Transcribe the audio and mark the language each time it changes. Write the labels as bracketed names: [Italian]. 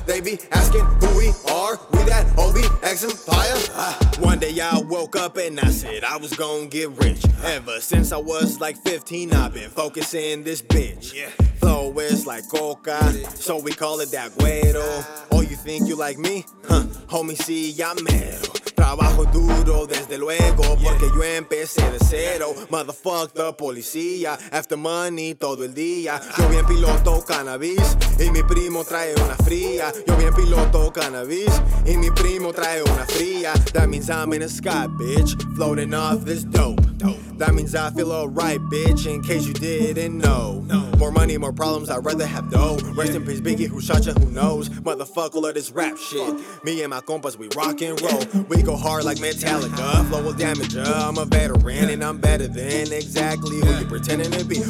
[English] They be asking who we are, we that OBXEMPIRE. One day I woke up and I said I was gonna get rich. Ever since I was like 15, I've been focusing this bitch. Flow is like coca, so we call it that güero. Oh, you think you like me? Homie, [Spanish] si, ya mero. Trabajo duro desde luego, porque yo empecé de cero. [English] Motherfuck the policía, after money [Spanish] todo el día. Yo bien piloto cannabis, y mi primo trae una fría. Yo bien piloto cannabis, y mi primo trae una fría. [English] That means I'm in the sky, bitch, floating off this dope. That means I feel alright, bitch, in case you didn't know. More money, more problems, I'd rather have dough. Rest in peace, Biggie, who shot ya, who knows. Motherfuck all of this rap shit. Me and my compas, we rock and roll. We go hard like Metallica, flow will damage ya. I'm a veteran and I'm better than exactly who you pretending to be.